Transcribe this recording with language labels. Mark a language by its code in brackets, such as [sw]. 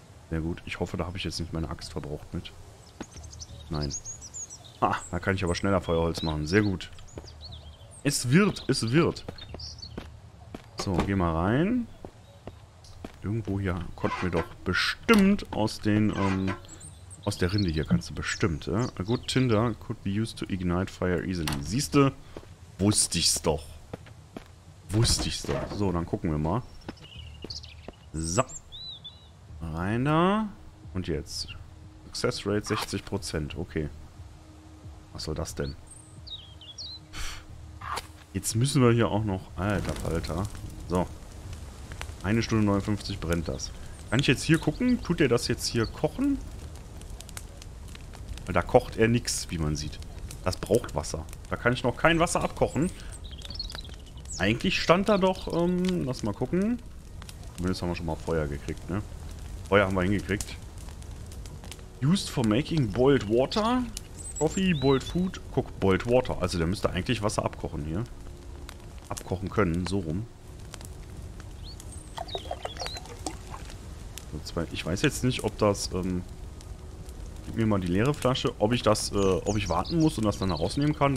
[de] Sehr gut. Ich hoffe, da habe ich jetzt nicht meine Axt verbraucht mit. Nein. Ah, da kann ich aber schneller Feuerholz machen. Sehr gut. Es wird, es wird. So, geh mal rein. Irgendwo hier konnten wir doch bestimmt aus den, aus der Rinde hier kannst du bestimmt, ja? [en] A good tinder could be used to ignite fire easily. [de] Siehste, wusste ich's doch. Wusste ich's doch. So, dann gucken wir mal. So. Rein da. Und jetzt. [en] Success rate 60%. Okay. [de] Was soll das denn? Jetzt müssen wir hier auch noch... Alter, Alter. So. 1:59 brennt das. Kann ich jetzt hier gucken? Tut er das jetzt hier kochen? Weil da kocht er nichts, wie man sieht. Das braucht Wasser. Da kann ich noch kein Wasser abkochen. Eigentlich stand da doch... lass mal gucken. Zumindest haben wir schon mal Feuer gekriegt, ne? Feuer haben wir hingekriegt. [en] Used for making boiled water. Coffee, boiled food. Guck, boiled water. [de] Also der müsste eigentlich Wasser abkochen hier. Abkochen können, so rum. So, zwei. Ich weiß jetzt nicht, ob das, gib mir mal die leere Flasche, ob ich das, ob ich warten muss und das dann herausnehmen kann.